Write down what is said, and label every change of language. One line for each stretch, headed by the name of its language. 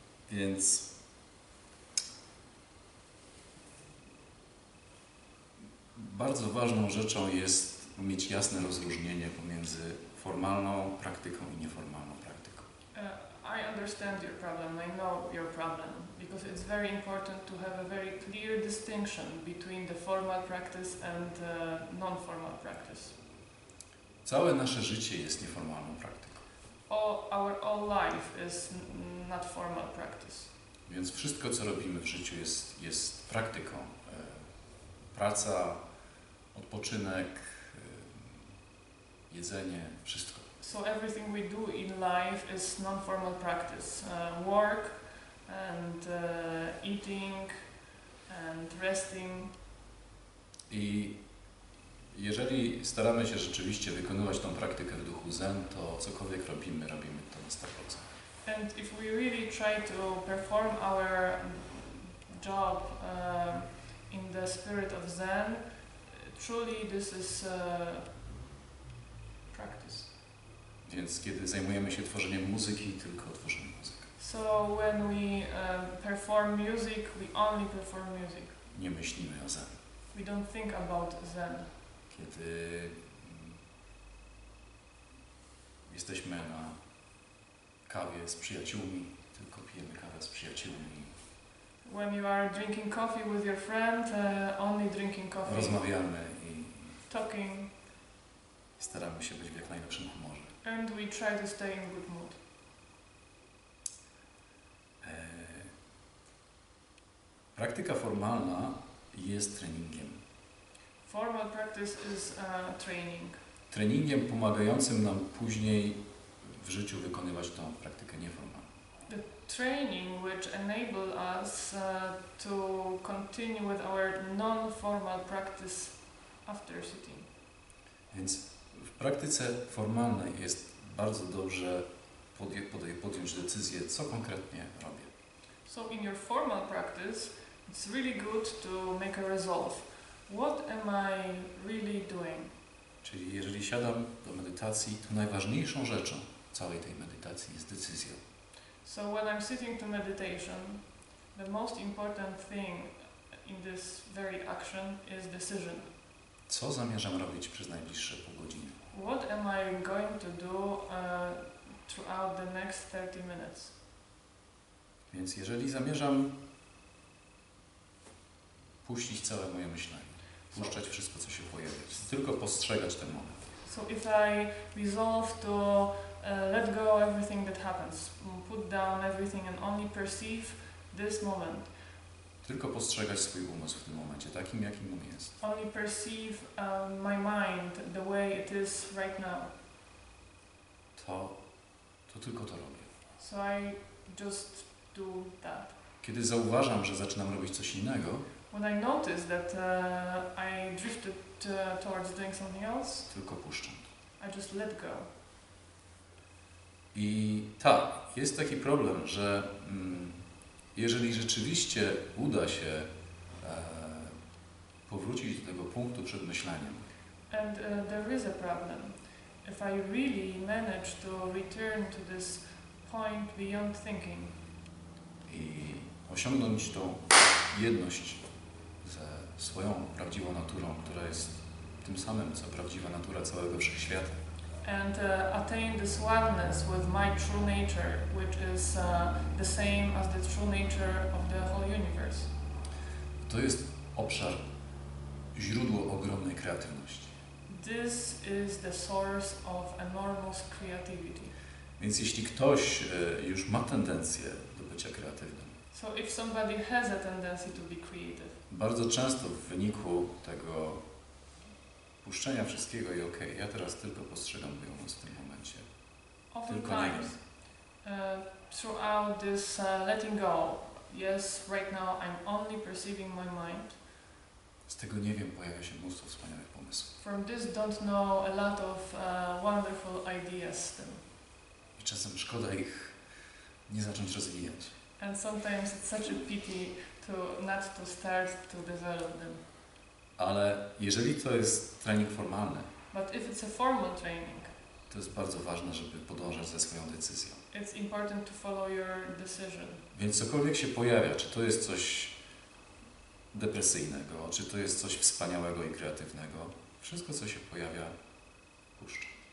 Polish: więc bardzo ważną rzeczą jest mieć jasne rozróżnienie pomiędzy formalną praktyką i nieformalną praktyką.
English: I understand your problem. I know your problem because it's very important to have a very clear distinction between the formal practice and the non-formal practice.
Polish: Całe nasze życie jest nieformalną praktyką.
English: Our life is not formal practice.
Polish: Więc wszystko, co robimy w życiu, jest praktyką. Praca, odpoczynek, jedzenie, wszystko.
English: So everything we do in life is non-formal practice. Work and eating and resting.
Polish: I jeżeli staramy się rzeczywiście wykonywać tą praktykę w duchu Zen, to cokolwiek robimy, robimy to na 100%.
English: And if we really try to perform our job in the spirit of Zen, truly this is practice.
Polish: Więc kiedy zajmujemy się tworzeniem muzyki, tylko tworzymy muzykę.
English: So when we perform music, we only perform music.
Polish: Nie myślimy o Zen.
English: We don't think about Zen.
Polish: Kiedy jesteśmy na kawie z przyjaciółmi, tylko pijemy kawę z przyjaciółmi.
English: When you are drinking coffee with your friend, only drinking coffee.
Polish: Rozmawiamy i
English: talking.
Polish: Staramy się być w jak najlepszym humorze.
English: And we try to stay in good mood.
Polish: Praktyka formalna jest treningiem.
English: Formal practice is training.
Polish: Treningiem pomagającym nam później w życiu wykonywać tą praktykę nieformalną.
English: The training which enable us to continue with our non-formal practice after sitting.
Polish: Więc w praktyce formalnej jest bardzo dobrze podjąć decyzję, co konkretnie robię.
English: So in your formal practice, it's really good to make a resolve. What am I really doing?
Polish: Czyli jeżeli siadam do medytacji, to najważniejszą rzeczą całej tej medytacji jest decyzja.
English: So when I'm sitting to meditation, the most important thing in this very action is decision.
Polish: Co zamierzam robić przez najbliższe pół godziny?
English: What am I going to do throughout the next 30 minutes?
Polish: Więc jeżeli zamierzam puścić całe moje myślenie, puszczać wszystko, co się pojawia, tylko postrzegać ten moment.
English: So if I resolve to let go everything that happens, put down everything and only perceive this moment.
Polish: Tylko postrzegać swój umysł w tym momencie, takim, jakim on jest.
English: Only perceive my mind the way it is right now.
Polish: To tylko to robię.
English: So I just do that.
Polish: Kiedy zauważam, że zaczynam robić coś innego,
English: when I notice that I drifted towards doing something else,
Polish: tylko puszczam.
English: I just let go.
Polish: I tak, jest taki problem, że jeżeli rzeczywiście uda się powrócić do tego punktu przed myśleniem.
English: And there is a problem. If I really manage to return to this point beyond thinking.
Polish: I osiągnąć tą jedność ze swoją prawdziwą naturą, która jest tym samym, co prawdziwa natura całego wszechświata.
English: And attain this oneness with my true nature, which is the same as the true nature of the whole universe.
Polish: To jest obszar, źródło ogromnej kreatywności.
English: This is the source of enormous creativity.
Polish: Więc jeśli ktoś już ma tendencję do bycia kreatywnym,
English: so if somebody has a tendency to be creative,
Polish: bardzo często w wyniku tego puszczenia wszystkiego i okej, okay, ja teraz tylko postrzegam moją moc w tym momencie.
English: Oftentimes, throughout this letting go, yes, right now I'm only perceiving my mind.
Polish: Z tego nie wiem, pojawia się mnóstwo wspaniałych pomysłów.
English: From this don't know a lot of wonderful ideas.
Polish: I czasem szkoda ich nie zacząć rozwijać.
English: And sometimes it's such a pity to not to start to develop them.
Polish: Ale jeżeli to jest trening formalny,
English: but if it's a formal training,
Polish: to jest bardzo ważne, żeby podążać ze swoją decyzją.
English: It's important to follow your decision.
Polish: Więc cokolwiek się pojawia, czy to jest coś depresyjnego, czy to jest coś wspaniałego i kreatywnego, wszystko, co się pojawia, puszczę.